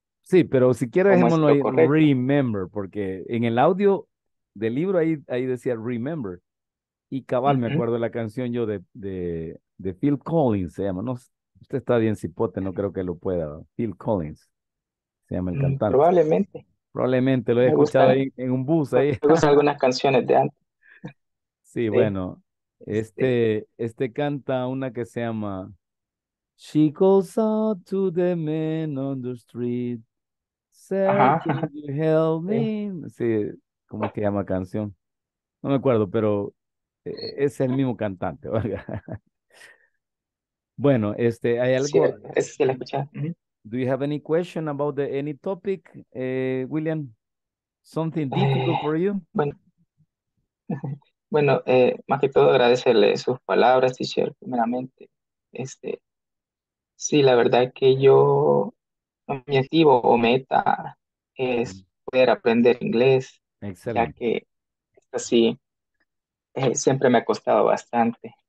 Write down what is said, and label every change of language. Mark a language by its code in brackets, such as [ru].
[es] Sí, pero si quiere dejémoslo ahí, remember, porque en el audio del libro ahí decía remember, y cabal me acuerdo de la canción yo de Phil Collins, se llama, no, usted está bien cipote, no creo que lo pueda, Phil Collins, se llama el cantante. Probablemente, lo he escuchado ahí en un bus ahí. Me gustan algunas canciones de antes. Sí, bueno, este canta una que se llama... [en] She calls out to the man on the street. Say, can you help me? [es] Sí, ¿cómo es que llama canción? No me acuerdo, pero es el mismo cantante. Bueno, hay algo. Sí, ese sí lo escuché. [en] Do you have any question about any topic, William? Something difficult for you? [es] Bueno, más que todo agradecerle sus palabras, teacher, primeramente. Sí, la verdad es que yo, mi objetivo o meta es poder aprender inglés. Excelente. Ya que así siempre me ha costado bastante.